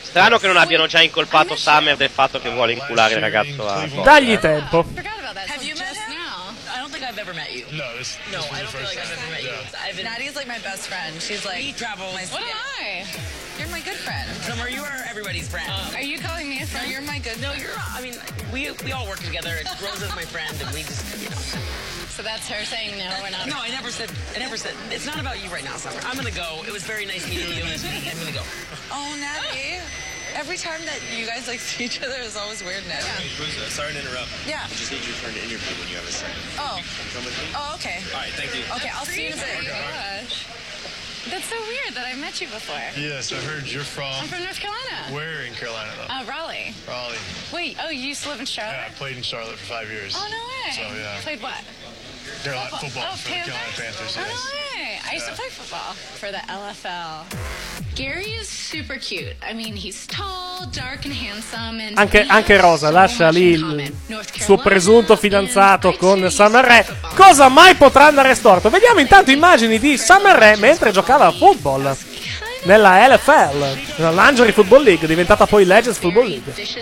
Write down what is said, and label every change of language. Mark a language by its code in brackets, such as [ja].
[it] Strano che non abbiano già incolpato Summer del fatto che vuole inculare il ragazzo a Cole. Dagli tempo. [en] Have you met him? I've ever met you. No, this is no, I don't feel like I've ever met you. Natty is like my best friend. She's like, he travels. My what am I? You're my good friend. Summer, you are everybody's friend. Are you calling me a friend? No, you're my good friend. No, you're, I mean, we all work together. Rose is my friend, and we just, you know. So that's her saying no, we're not. No, I never said, it's not about you right now, Summer. I'm gonna go. It was very nice meeting you, and I'm gonna go. Oh, Natty. Every time that you guys like see each other is always weird now. Yeah. Sorry to interrupt. Yeah. I just need your turn to interview when you have a second. Oh. Come with me. Oh, okay. All right, thank you. Okay, I'll see you in a bit. Oh my gosh. That's so weird that I met you before. Yes, I heard you're from... I'm from North Carolina. Where in Carolina, though? Raleigh. Wait, oh, you used to live in Charlotte? Yeah, I played in Charlotte for 5 years. Oh, no way. So, yeah. Played what? Carolina football. Oh, for Panthers. The Carolina Panthers, yes. Oh, no way. I used to play football for the LFL. Gary is super cute. I mean, he's tall, dark and handsome, and [it] anche Rosa lascia lì il suo presunto fidanzato con Summer Rae. Cosa mai potrà andare storto? Vediamo intanto immagini di Summer Rae mentre giocava a football nella LFL, la Lingerie Football League, diventata poi Legends Football League.